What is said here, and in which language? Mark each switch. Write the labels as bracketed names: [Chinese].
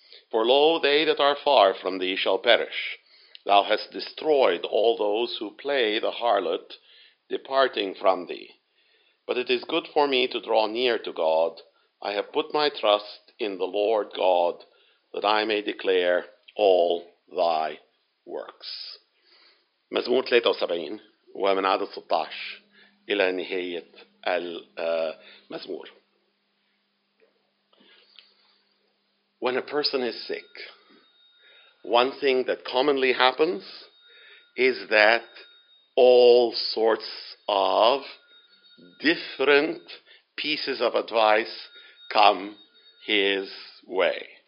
[English] For lo, they that are far from thee shall perish. Thou hast destroyed all those who play the harlot, departing from thee. But it is good for me to draw near to God. I have put my trust in the Lord God, that I may declare all thy works. [Arabic] مزمور 73 ومن عدد 16 إلى نهاية المزمور. [English] When a person is sick, one thing that commonly happens is that all sorts of different pieces of advice come his way.